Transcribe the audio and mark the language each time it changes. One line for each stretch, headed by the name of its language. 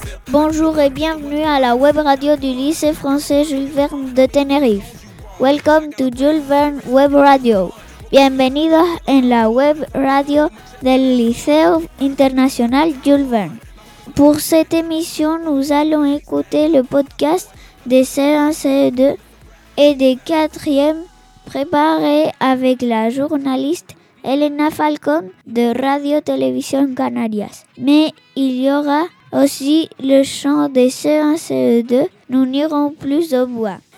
French: Bonjour et bienvenue à la web radio du lycée français Jules Verne de Tenerife.
English: Welcome to Jules Verne Web Radio.
Spanish: Bienvenidos en la web radio del Liceo Internacional Jules Verne.
French: Pour cette émission, nous allons écouter le podcast des CE1, CE2 et des 4e préparé avec la journaliste Elena Falcón de Radio Télévision Canarias. Mais il y aura aussi le chant des CE1, CE2, nous n'irons plus au bois.